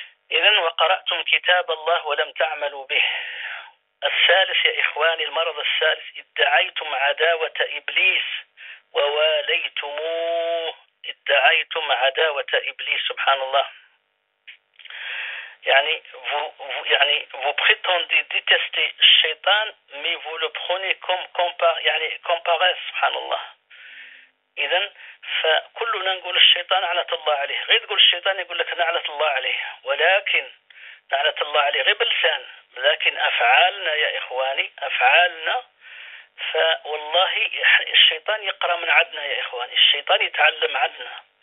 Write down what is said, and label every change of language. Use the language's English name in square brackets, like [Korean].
[Arabic] إذا وقرأتم كتاب الله ولم تعملوا به. الثالث يا إخواني، المرض الثالث، ادعيتم عداوة إبليس وواليتموه. ادعيتم عداوة إبليس، سبحان الله. [French] يعني vous prétendez détester الشيطان mais vous le prenez comme يعني comparé، [Arabic] سبحان الله. إذا فكلنا نقول الشيطان لعنة الله عليه، غير تقول الشيطان يقول لك لعنة الله عليه، ولكن لعنة الله عليه غير بلسان، لكن أفعالنا يا إخواني، أفعالنا، فوالله الشيطان يقرأ من عدنا يا إخواني، الشيطان يتعلم عدنا.